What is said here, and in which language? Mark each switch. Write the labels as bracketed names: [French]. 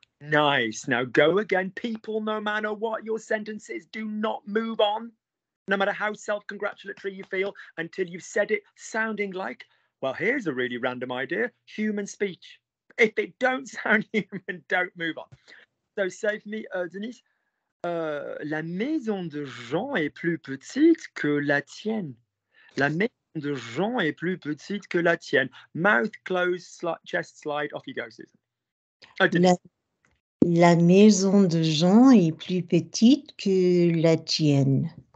[English] Nice. Now go again. People, no matter what your sentence is, do not move on. No matter how self-congratulatory you feel until you've said it sounding like, well, here's a really random idea, human speech. If it don't sound human, don't move on. So save me, Denise. [French] La maison de Jean est plus petite que la tienne. La maison de Jean est plus petite que la tienne. [English] Mouth closed, chest slide, off you go, Susan. [French] La maison de Jean est plus petite que la tienne.